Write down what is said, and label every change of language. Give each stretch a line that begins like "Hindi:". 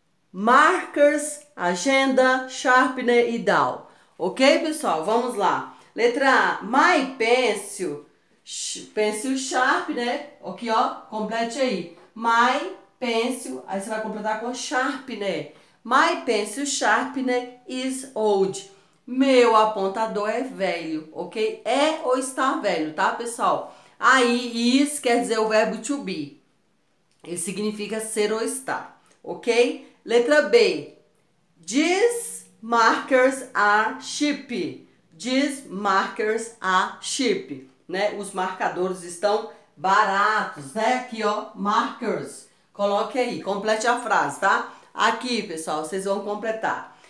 Portuguese: Markers, agenda, sharpener e dowel. Ok, pessoal? Vamos lá. Letra A.
English: My pencil. Pencil sharp,
Portuguese: né? Aqui, ó. Complete aí.
English: My pencil.
Portuguese: Aí você vai completar com sharpener.
English: My pencil sharpener is old.
Portuguese: Meu apontador é velho, ok? É ou está velho, tá, pessoal? Aí, is quer dizer o verbo to be. Ele significa ser ou estar, ok? Letra B.
English: These markers are sheep. These markers are sheep.
Portuguese: Né? Os marcadores estão baratos, né? Aqui, ó, markers. Coloque aí, complete a frase, tá? Aqui, pessoal, vocês vão completar.